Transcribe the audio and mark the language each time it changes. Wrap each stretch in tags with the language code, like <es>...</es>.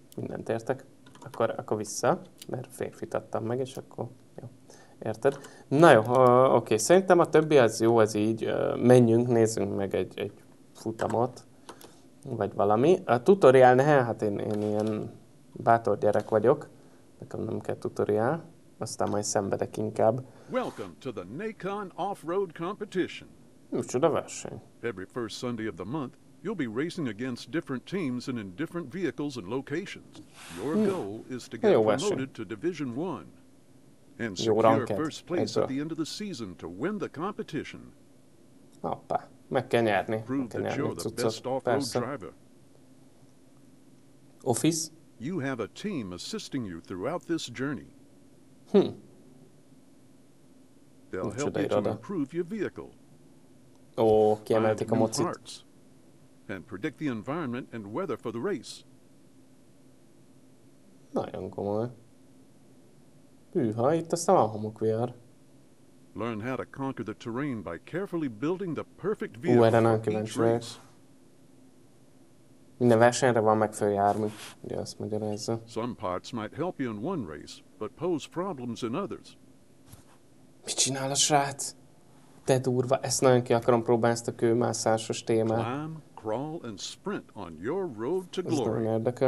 <hu>Mindent értek, akkor vissza, mert férfit adtam meg, és akkor jó, érted? Na jó, oké, szerintem a többi az jó, az így, menjünk, nézzünk meg egy futamot, vagy valami. A tutoriál, ne, hát én ilyen bátor gyerek vagyok, nekem nem kell tutoriál, aztán majd szenvedek inkább.</hu> <en>Welcome to the Nacon Off-Road Competition.</en> <hu>Micsoda verseny.</hu> <en>Every first Sunday of the month. You'll be racing against different teams and in different vehicles and locations. Your goal is to get promoted to Division 1 and secure first place at the end of the season to win the competition.</en> <hu>Hoppá, meg kell nyerni.</hu> <en>Prove that you're the best off-road driver. Office? You have a team assisting you throughout this journey. They'll help you to improve your vehicle.</en> <hu>Ó, kiemelték a mocit.</hu> <en>And predict the environment and weather for the race.</en> <hu>Nagyon komoly. Hűha, itt aztán a homokvihar.</hu> <en>Learn how to conquer the terrain by carefully building the perfect vehicle for each race.</en> <hu>Minden versenyre van megfelelő jármű. Ugye azt magyarázza.</hu> <en>Some parts might help you in one race, but pose problems in others.</en> <hu>Mit csinál a srác? De durva, ezt nagyon ki akarom próbálni, ezt a kőmászásos témát.</hu> <en>Crawl and sprint on your road to glory.</en>